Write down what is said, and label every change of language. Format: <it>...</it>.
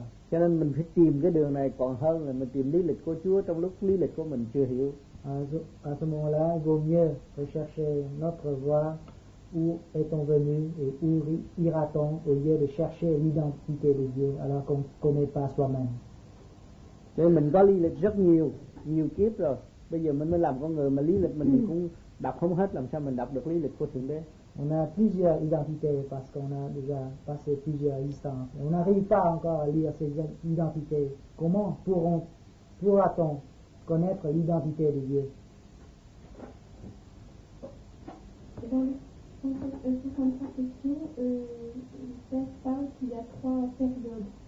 <vi>Cho nên mình phải tìm cái đường này còn hơn là mình tìm lý lịch của Chúa trong lúc lý lịch của mình chưa hiểu.</vi> <fr>À ce moment-là, il vaut mieux rechercher notre voie, où est-on venu et où ira-t-on, au lieu de chercher l'identité de Dieu alors qu'on ne connaît pas soi-même.</fr> <vi>Nên mình có lý lịch rất nhiều, nhiều kiếp rồi. Bây giờ mình mới làm con người mà lý lịch mình cũng đọc không hết, làm sao mình đọc được lý lịch của Thượng Đế?</vi> <fr>On a plusieurs identités parce qu'on a déjà passé plusieurs existences. On n'arrive pas encore à lire ces identités. Comment pourra-t-on connaître l'identité de Dieu? Dans le 63 question, le père parle qu'il y a trois périodes.</fr>